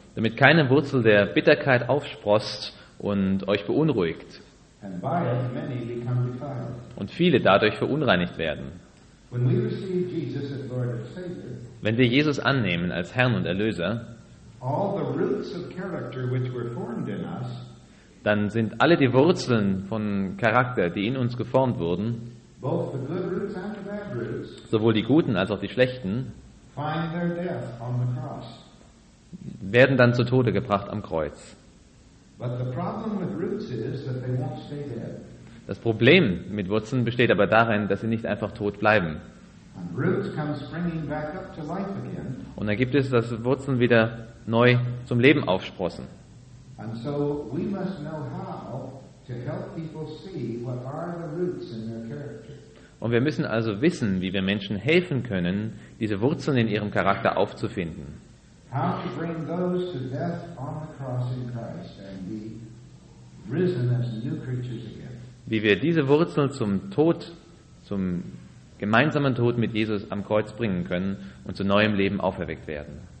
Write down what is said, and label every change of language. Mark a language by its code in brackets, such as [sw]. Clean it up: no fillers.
[de] Damit keine Wurzel der Bitterkeit aufsprost und euch beunruhigt. [en] And by it many become defiled. [de] Und viele dadurch verunreinigt werden. [en] When we receive Jesus as Lord and Savior, [de] wenn wir Jesus annehmen als Herrn und Erlöser, [en] all the roots of character which were formed in us, [de] dann sind alle die Wurzeln von Charakter, die in uns geformt wurden, [en] both the good roots and the bad roots, [de] sowohl die guten als auch die schlechten, [en] find their death on the cross. [de] Werden dann zu Tode gebracht am Kreuz. [en] But the problem with roots is that they won't stay dead. [de] Das Problem mit Wurzeln besteht aber darin, dass sie nicht einfach tot bleiben. [en] And roots come springing back up to life again. [de] Und dann gibt es, dass Wurzeln wieder neu zum Leben aufsprossen. [en] And so we must know how to help people see what are the roots in their character. [de] Und wir müssen also wissen, wie wir Menschen helfen können, diese Wurzeln in ihrem Charakter aufzufinden. [en] How to bring those to death on the cross in Christ and be risen as new creatures again. [de] Wie wir diese Wurzeln zum Tod, zum gemeinsamen Tod mit Jesus am Kreuz bringen können und zu neuem Leben auferweckt werden.